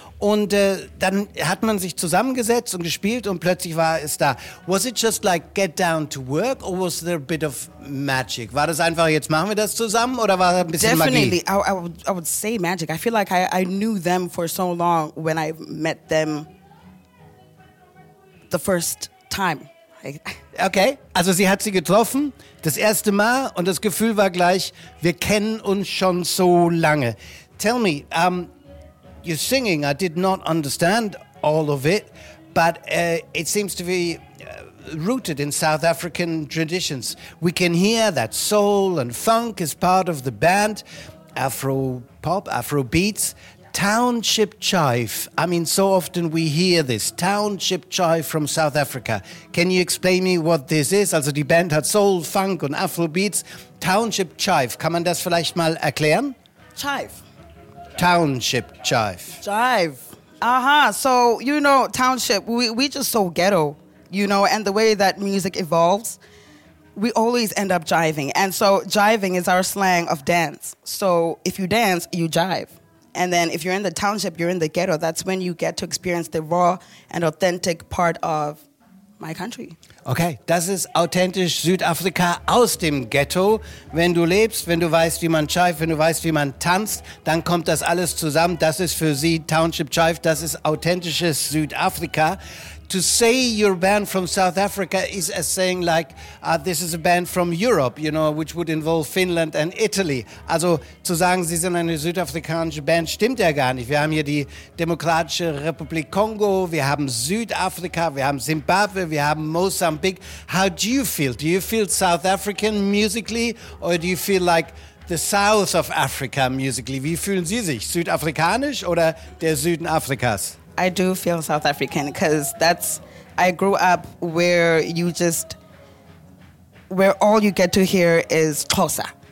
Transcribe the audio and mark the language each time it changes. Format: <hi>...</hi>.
<de>Und dann hat man sich zusammengesetzt und gespielt und plötzlich war es da.</de> <en>Was it just like get down to work or was there a bit of magic?</en> <de>War das einfach, jetzt machen wir das zusammen oder war ein bisschen</de> <en>Definitely.</en> <de>Magie?</de> <en>Definitely, I would say magic. I feel like I knew them for so long when I met them the first time.</en> <de>Okay, also sie hat sie getroffen, das erste Mal und das Gefühl war gleich, wir kennen uns schon so lange.</de> <en>Tell me, your singing, I did not understand all of it, but it seems to be rooted in South African traditions. We can hear that soul and funk is part of the band. Afro pop, Afro beats. Township Chive. I mean, so often we hear this. Township Chive from South Africa. Can you explain me what this is?</en> <de>Also, die Band hat Soul, Funk und Afrobeats. Township Chive. Kann man das vielleicht mal erklären?</de> <en>Chive. Township Chive. Chive. Aha. Uh-huh. So, you know, Township, we just so ghetto, you know, and the way that music evolves, we always end up jiving. And so, jiving is our slang of dance. So, if you dance, you jive. And then if you're in the township, you're in the ghetto. That's when you get to experience the raw and authentic part of my country.</en> <de>Okay, das ist authentisch Südafrika aus dem Ghetto. Wenn du lebst, wenn du weißt, wie man chive, wenn du weißt, wie man tanzt, dann kommt das alles zusammen. Das ist für sie Township Chive. Das ist authentisches Südafrika.</de> <en>To say you're a band from South Africa is as saying like, this is a band from Europe, you know, which would involve Finland and Italy.</en> <de>Also zu sagen, sie sind eine südafrikanische Band, stimmt ja gar nicht. Wir haben hier die Demokratische Republik Kongo, wir haben Südafrika, wir haben Zimbabwe, wir haben Mozambique.</de> <en>How do you feel? Do you feel South African musically or do you feel like the South of Africa musically?</en> <de>Wie fühlen Sie sich? Südafrikanisch oder der Süden Afrikas?</de> <en>I do feel South African because that's, I grew up where you just, where all you get to hear is Xhosa.</en>